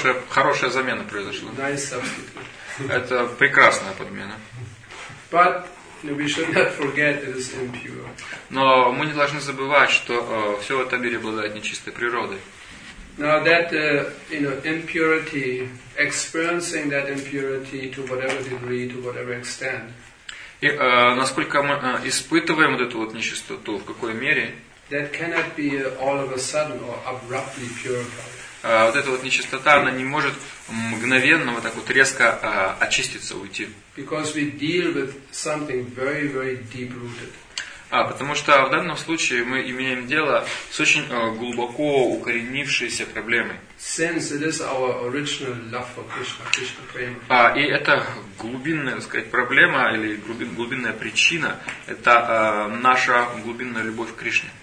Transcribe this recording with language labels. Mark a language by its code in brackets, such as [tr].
[ru] Хорошая замена произошла. Это прекрасная подмена. [en] But we should not forget it is impure. [ru] Но мы не должны забывать, что все в этом мире обладает нечистой природой. [en] Now that you know impurity, experiencing that impurity to whatever degree, to whatever extent. [ru] И насколько мы испытываем вот эту вот нечистоту, в какой мере? [en] That cannot be all of a sudden or abruptly purified. [ru] Вот эта вот нечистота, она не может мгновенно вот так вот резко очиститься, уйти. [en] Because we deal with something very, very deep-rooted. [ru] Потому что в данном случае мы имеем дело с очень глубоко укоренившейся проблемой. [en] Since it is our original love for Krishna, Krishna prema. [ru] И это глубинная, так сказать, проблема или глубинная причина, это наша глубинная любовь к Кришне.